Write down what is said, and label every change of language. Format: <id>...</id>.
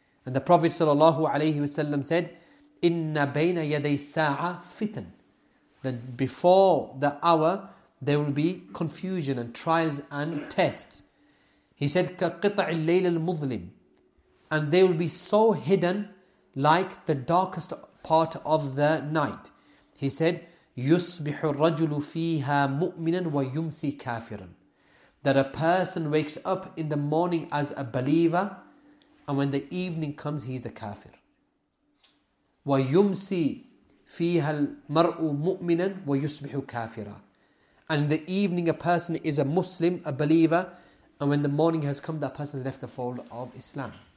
<en>And the Prophet sallallahu alayhi wasallam said,</en> <ar>"Inna bayna yaday sa'a fitan."</ar> <en>That before the hour, there will be confusion and trials and tests. He said,</en> <ar>"Kaqita'il layl al-muzlim."</ar> <en>And they will be so hidden, like the darkest part of the night.</en> <ar>He said, يُصْبِحُ الرَّجُلُ فِيهَا مُؤْمِنًا وَيُمْسِي كَافِرًا.</ar> <en>That a person wakes up in the morning as a believer, and when the evening comes, he is a kafir.</en> <ar>وَيُمْسِي فِيهَا الْمَرْءُ مُؤْمِنًا وَيُصْبِحُ كَافِرًا.</ar> <en>And in the evening, a person is a Muslim, a believer, and when the morning has come, that person has left the fold of Islam.</en>